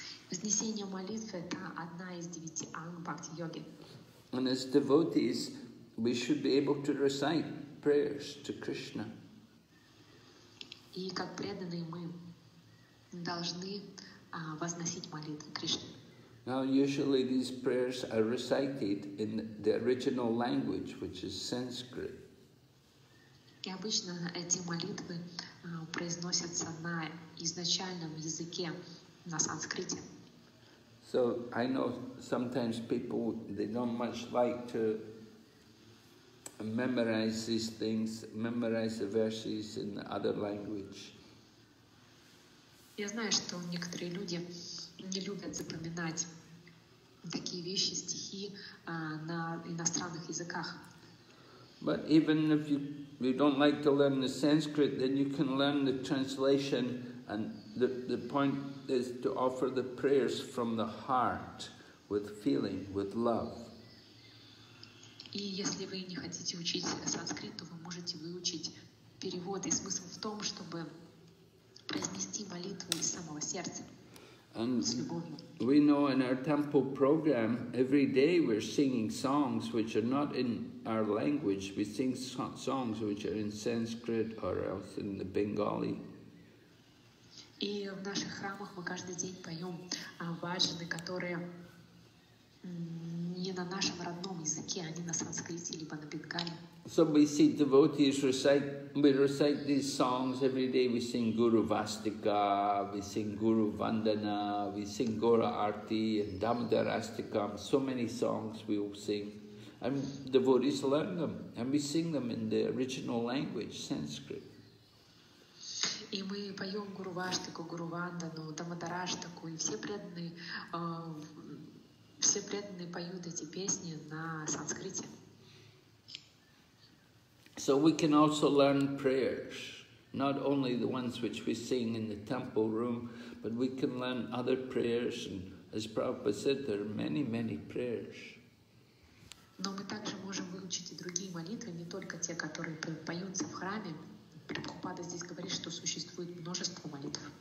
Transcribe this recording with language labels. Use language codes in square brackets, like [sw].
[ru] Вознесение молитв — это одна из девяти анг Бхакти-йоги. [en] And as devotees, we should be able to recite prayers to Krishna. [ru] И как преданные мы должны возносить молитвы Кришне. [en] Now, usually these prayers are recited in the original language, which is Sanskrit. [ru] И обычно эти молитвы произносятся на изначальном языке, на санскрите. [en] So I know sometimes people, they don't much like to memorize these things, memorize the verses in other language. [ru] Я знаю, что некоторые люди не любят запоминать такие вещи, стихи на иностранных языках. [en] But even if you don't like to learn the Sanskrit, then you can learn the translation, and the point is to offer the prayers from the heart, with feeling, with love. [ru] И если вы не хотите учить санскрит, то вы можете выучить перевод, и смысл в том, чтобы произнести молитву из самого сердца, с любовью. [en] We know in our temple program, every day we're singing songs which are not in our language. We sing songs which are in Sanskrit or else in the Bengali. [ru] И в наших храмах мы каждый день поем баджаны, которые не на нашем родном языке, они на санскрите либо на бенгали. [en] So we see devotees recite these songs every day. We sing Guru Vastika, we sing Guru Vandana, we sing Gora Arti and Damodarastikam. So many songs we will sing, and devotees learn them, and we sing them in the original language, Sanskrit. [ru] И мы поем Гуру Ваштику, Гуру Вандану, Дамодараштику, и все преданные поют эти песни на санскрите. [en] So we can also learn prayers, not only the ones which we sing in the temple room, but we can learn other prayers, and as Prabhupada said, there are many, many prayers. [ru] Но мы также можем выучить и другие молитвы, не только те, которые поются в храме. Прабхупада здесь говорит, что существует множество молитв.